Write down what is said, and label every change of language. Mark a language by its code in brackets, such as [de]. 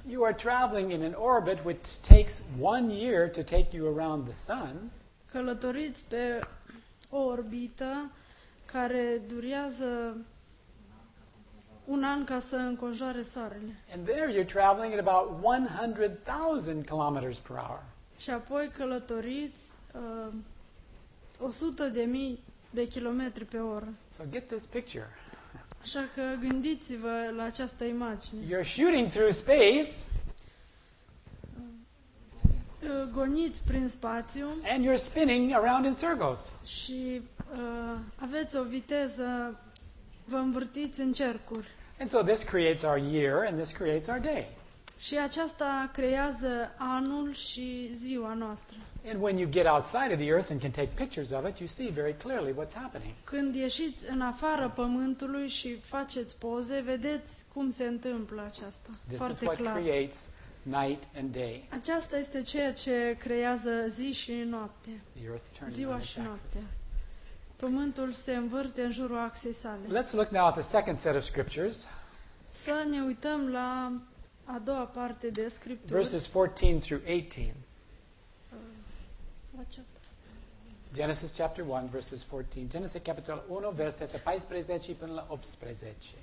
[en] you are traveling in an orbit which takes one year to take you around the sun. [ro] Călătoriți pe o orbită care durează un an ca să înconjoare soarele. [en] And there you're traveling at about 100,000 kilometers per hour. [ro] Și apoi călătoriți 100,000 de kilometri pe oră. [en] So get this picture. [ro] Așa că gândiți-vă la această imagine. [en] You're shooting through space. [ro] Goniți prin spațiu. [en] And you're spinning around in circles. [ro] Și aveți o viteză, vă învârtiți în cercuri. [en] And so this creates our year and this creates our day. [ro] Și aceasta creează anul și ziua noastră. [en] And when you get outside of the earth and can take pictures of it, you see very clearly what's happening. [ro] Când ieșiți în afara pământului și faceți poze, vedeți cum se întâmplă aceasta. [en] This [ro] foarte [en] is what [ro] clar. [en] Creates night and day. [ro] Aceasta este ceea ce creează zi și noapte. [en] The earth turns [ro] ziua și noapte. Pământul se învârte în jurul axei sale. [en] Let's look now at the second set of scriptures. [ro] Să ne uităm la a doua parte de scripturi. [en] Verses 14 through 18. Genesis chapter 1 verses 14. [ro] Genesis capitolul 1 versetul 14 până la 18.